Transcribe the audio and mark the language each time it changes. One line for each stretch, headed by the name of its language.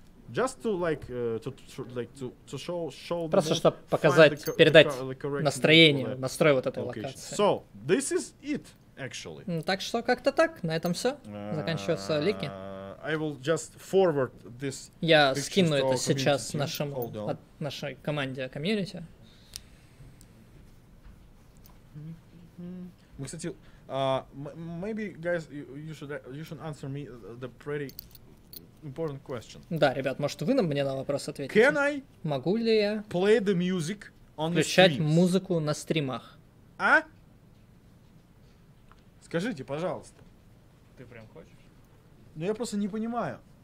Russian: Просто чтобы показать, передать настроение, настрой вот этой локации.
English: So, this is it, actually.
Russian: Так что как-то так, на этом все. Заканчиваются лики.
English: I will just forward this.
Russian: Я скину это сейчас нашей команде комьюнити. Мы, кстати,
English: maybe guys, you should answer me the pretty important question.
Russian: Да, ребят, может вы мне на вопрос ответите?
English: Can I?
Russian: Могу ли я
English: play the music on the
Russian: включать
English: streams?
Russian: Музыку на стримах? А? Скажите, пожалуйста. Ты прям хочешь? Ну я просто не понимаю.